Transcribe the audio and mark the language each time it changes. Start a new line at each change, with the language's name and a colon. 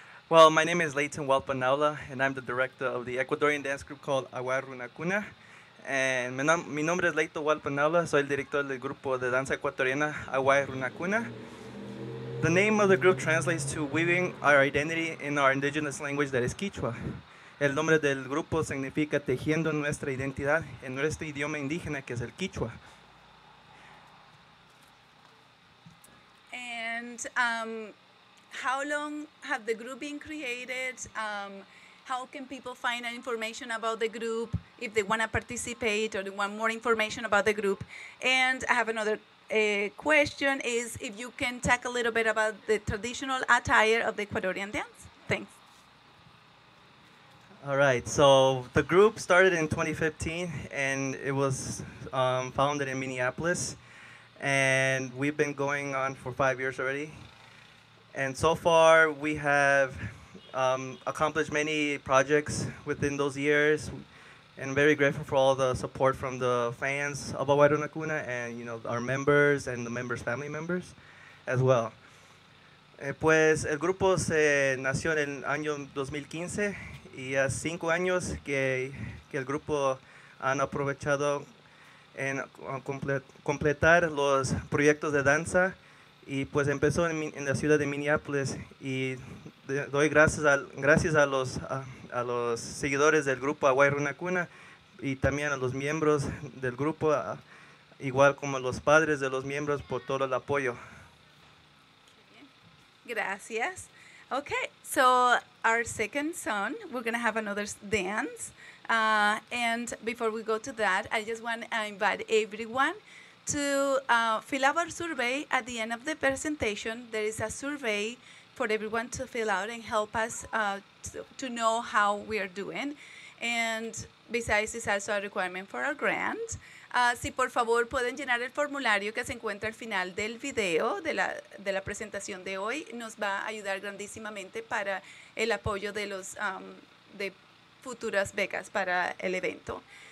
English: Well, my name is Leighton Walpanaula, and I'm the director of the Ecuadorian dance group called AWE Runakuna.
Spanish: And mi nombre es Leighton Walpanaula, soy el director del grupo de danza ecuatoriana AWE Runakuna.
English: The name of the group translates to weaving our identity in our indigenous language that is Quechua.
Spanish: El nombre del grupo significa tejiendo nuestra identidad en nuestro idioma indígena, que es el Quechua.
English: And how long have the group been created? How can people find information about the group if they want to participate or they want more information about the group? And I have another question is if you can talk a little bit about the traditional attire of the Ecuadorian dance. Thanks. All right, so the group started in 2015 and it was founded in Minneapolis. And we've been going on for 5 years already. And so far, we have accomplished many projects within those years. And very grateful for all the support from the fans of Awai Runakuna and, you know, our members and the members' family members as well.
Spanish: Pues el grupo se nació en el año 2015 y hace 5 años que el grupo han aprovechado en completar los proyectos de danza y pues empezó en la ciudad de Minneapolis y doy gracias a los seguidores del grupo Awai Runakuna y también a los miembros del grupo, igual como los padres de los miembros por todo el apoyo. Gracias.
English: Okay, so our second song, we're going to have another dance. And before we go to that, I just want to invite everyone to fill out our survey. At the end of the presentation, there is a survey for everyone to fill out and help us to know how we are doing. And besides, it's also a requirement for our grant.
Spanish: Si por favor pueden llenar el formulario que se encuentra al final del video de la presentación de hoy, nos va a ayudar grandísimamente para el apoyo de los de futuras becas para el evento.